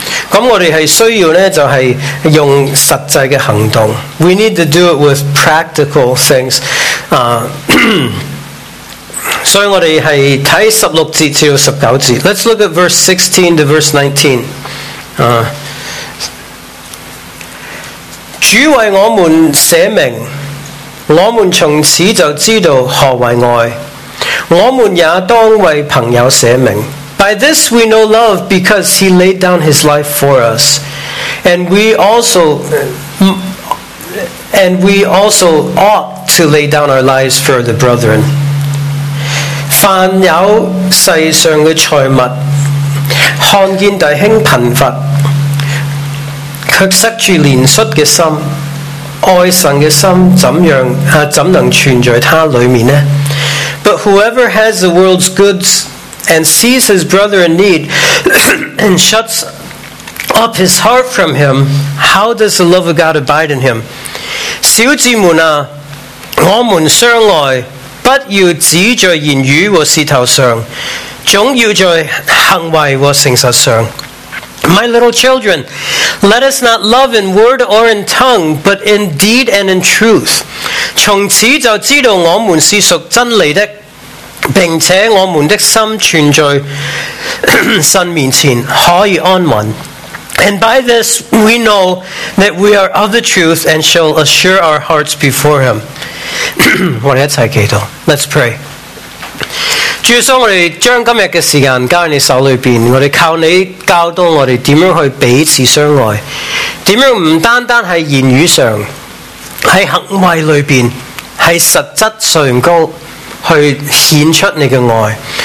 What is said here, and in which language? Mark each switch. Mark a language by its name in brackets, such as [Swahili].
[Chinese] 那我们是需要呢，就是用实际的行动。 [English] We need to do it with practical things. [Chinese] 所以我们是看16节至19节。 Let's look at verse 16 to verse 19. 主为我们舍命，我们从此就知道何为爱，我们也当为朋友舍命。 [English] By this we know love, because he laid down his life for us, and we also And we also ought to lay down our lives for the brethren. [Chinese] 凡有世上的财物，看见弟兄贫乏，却塞住怜率的心，爱神的心怎能存在他里面呢？ [English] But whoever has the world's goods and sees his brother in need and shuts up his heart from him, how does the love of God abide in him? [Chinese] 小子们啊，我们相爱，不要只在言语和舌头上，总要在行为和诚实上。 [English] My little children, let us not love in word or in tongue, but in deed and in truth. [Chinese] 从此就知道我们是属真理的，并且我们的心存在神面前，可以安稳。 [English] And by this we know that we are of the truth and shall assure our hearts before him. [Chinese] 我们一起祈祷。 Let's pray. 主耶稣，我们将今天的时间交在你手里面，我们靠你教导我们怎样去彼此相爱，怎样不单单是言语上，在行为里面，在实质上高去显出你的爱。